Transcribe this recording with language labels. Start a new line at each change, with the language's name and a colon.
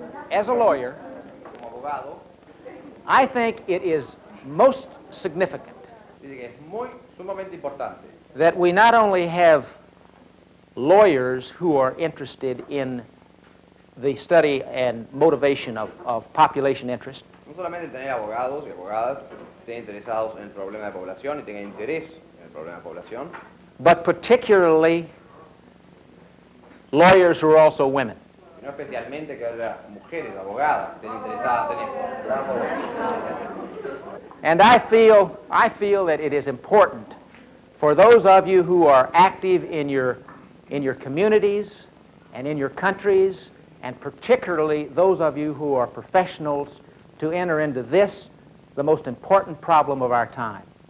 English: As a lawyer, I think it is most significant that we not only have lawyers who are interested in the study and motivation of population interest.
Spanish: No solamente tener abogados y abogadas que estén interesados en el problema de población y tengan interés en el problema de población.
English: But particularly lawyers who are also women.
Spanish: Y no especialmente que haya mujeres abogadas que estén interesadas en esto.
English: And I feel that it is important for those of you who are active in your communities and in your countries, and particularly those of you who are professionals, to enter into this, the most important problem of our time.